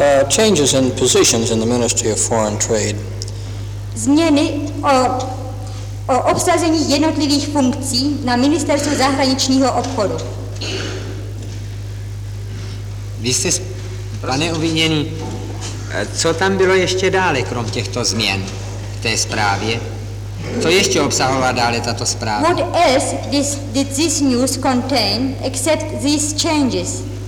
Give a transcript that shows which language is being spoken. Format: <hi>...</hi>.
<en>Changes in positions in the Ministry of Foreign Trade.</en> <cs>Změny o obsazení jednotlivých funkcí na ministerstvu zahraničního obchodu. Vy jste, pane obviněný, co tam bylo ještě dále, krom těchto změn v té zprávě? Co ještě obsahovala dále tato zpráva?</cs> <en>What else did this news contain except these changes?</en>